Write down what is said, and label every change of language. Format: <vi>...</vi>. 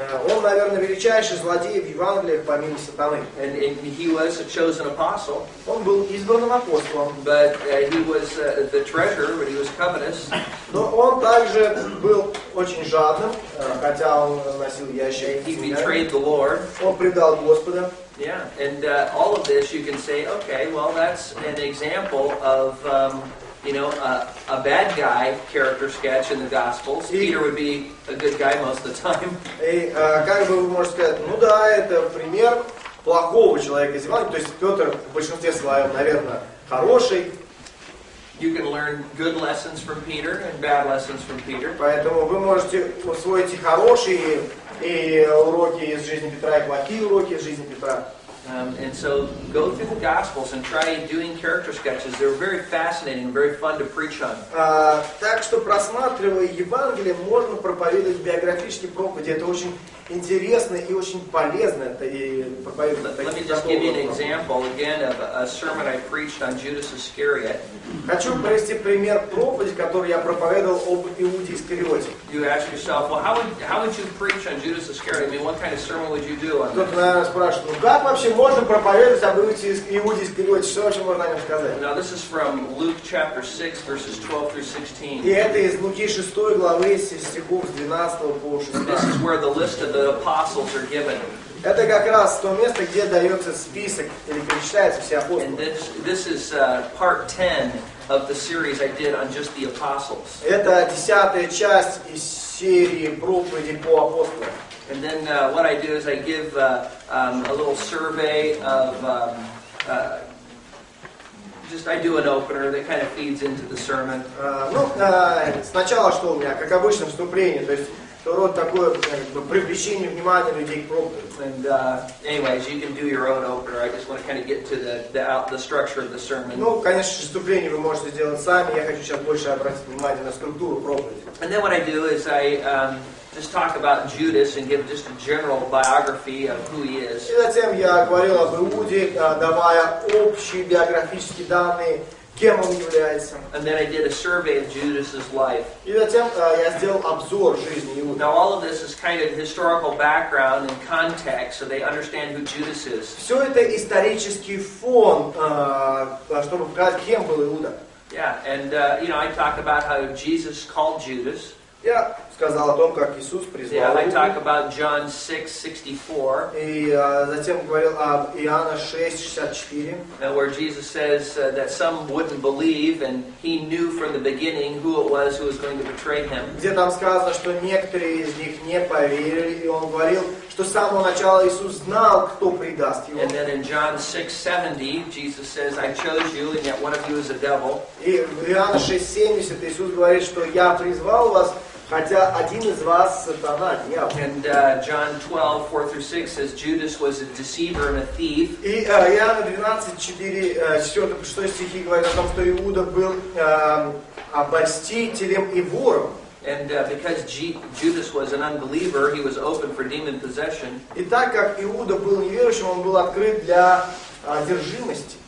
<ru>Он, наверное, величайший злодей в Евангелиях, помимо сатаны.</ru> <en>And he was a chosen apostle.</en> <ru>Он был избранным апостолом.</ru> <en>But he was the treasurer, but he was covetous.</en> <ru>Но он также был очень жадным, хотя он носил ящик.</ru> <en>He betrayed the Lord.</en> <ru>Он предал Господа.</ru> <en>Yeah, and all of this, you can say, okay, well, that's an example of... You know, a bad guy character sketch in the Gospels. Peter would be a good guy most of the time.</en> <ru>Как бы вы можете сказать, ну да, это пример плохого человека из Евангелия. То есть Петр в большинстве своем, наверное, хороший.</ru> <en>You can learn good lessons from Peter and bad lessons from Peter.</en> <ru>Поэтому вы можете усвоить хорошие и уроки из жизни Петра, и плохие уроки из жизни Петра.</ru> <en>And so go through the Gospels and try doing character sketches. They're very fascinating, very fun to preach on.</en> <ru>Так что просматривая Евангелие, можно проповедовать биографические проповеди. Это очень интересно и очень полезно. Это и проповедовать.</ru> <en>Let me just give you an example again of a sermon I preached on Judas Iscariot.</en> <ru>Хочу привести пример проповеди, которую я проповедовал об Иуде Искариоте.</ru> <en>You ask yourself, well, how would you preach on Judas Iscariot? I mean, what kind of sermon would you do on?</en> <ru>Кто-то, наверное, спрашивает, как вообще можно проповедовать об Иуде Искариоте? Что вообще можно о нем сказать?</ru> <en>Now this is from Luke chapter 6, verses 12-16.</en> <ru>И это из Луки 6 главы, стихов с 12 по 16.</ru> <en>This is where the list of the apostles are given.</en> <ru>Это как раз то место, где дается список или перечисляются все апостолы.</ru> <en>And this is part 10 of the series I did on just the apostles.</en> <ru>Это десятая часть из серии проповеди по апостолам.</ru> <en>And then what I do is I give a little survey of just I do an opener that kind of feeds into the sermon.</en> <ru>Сначала что у меня, как обычно, вступление, то есть то род такое, как бы, привлечение внимания людей к проповеди.</ru> <en>And anyways, you can do your own opener. I just want to kind of get to the structure of the sermon.</en> <ru>Ну, конечно, вступление вы можете сделать сами. Я хочу сейчас больше обратить внимание на структуру проповеди.</ru> <en>And then what I do is I just talk about Judas and give just a general biography of who he is.</en> <ru>И затем я говорил об Иуде, давая общие биографические данные. Кем он является?</ru> <en>And then I did a survey of Judas's life.</en> <ru>И затем я сделал обзор жизни Иуды.</ru> <en>Now all of this is kind of historical background and context, so they understand who Judas is.</en> <ru>Все это исторический фон, чтобы показать, кем был Иуда.</ru> <en>Yeah, and you know, I talk about how Jesus called Judas.</en> <ru>Я сказал о том, как Иисус призвал Иуду.</ru> <en>Yeah, I talk about John 6:64.</en> <ru>И затем говорил об Иоанна 6:64.</ru> <en>And where Jesus says that some wouldn't believe, and he knew from the beginning who was going to betray him.</en> <ru>Где там сказано, что некоторые из них не поверили, и он говорил, что с самого начала Иисус знал, кто предаст его.</ru> <en>And then in John 6:70, Jesus says, "I chose you, and yet one of you is a devil."</en> <ru>И в Иоанна 6:70 Иисус говорит, что я призвал вас. Хотя один из вас сатана, дьявол.</ru> <en>And John 12:4-6 says Judas was a deceiver and a thief.</en> <ru>И Иоанна 12:4-6 стихи говорят о том, что Иуда был обольстителем и вором.</ru> <en>And because Judas was an unbeliever, he was open for demon possession.</en> <ru>И так как Иуда был неверующим, он был открыт для одержимости.</ru>